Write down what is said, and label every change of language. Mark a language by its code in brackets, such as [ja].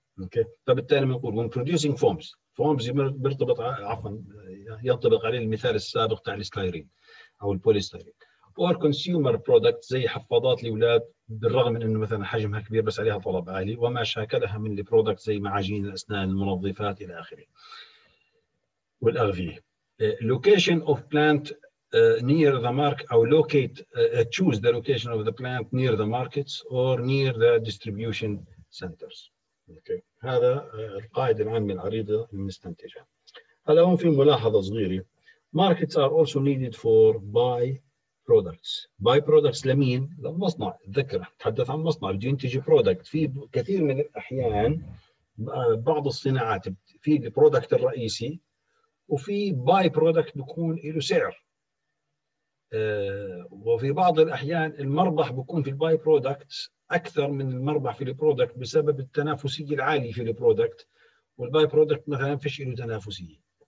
[ar] أوكي، فبالتالي بنقول [en] when producing foams. [ar] foams يرتبط ينطبق عليه المثال السابق تاع الستايرين أو البوليستايرين. [en] or consumer products [ar] زي حفاضات الأولاد بالرغم من أنه مثلا حجمها كبير بس عليها طلب عالي، وما شاكلها من البرودكت زي معجين الأسنان، المنظفات إلى آخره والأغذية. [en] location of plant near the market or locate choose the location of the plant near the markets or near the distribution centers. Okay. [ar] هذا القاعدة العامة العريضة المستنتجة. هلا هون في ملاحظة صغيرة، [en] markets are also needed for buy products. [ar] Buy products لمين؟ للمصنع. تذكر تحدث عن مصنع بده ينتج product. في كثير من الأحيان بعض الصناعات في product الرئيسي وفي باي برودكت بيكون له سعر، وفي بعض الاحيان المربح بيكون في الباي برودكت اكثر من المربح في البرودكت بسبب التنافسيه العالي في البرودكت، والباي برودكت مثلا فيش له تنافسيه،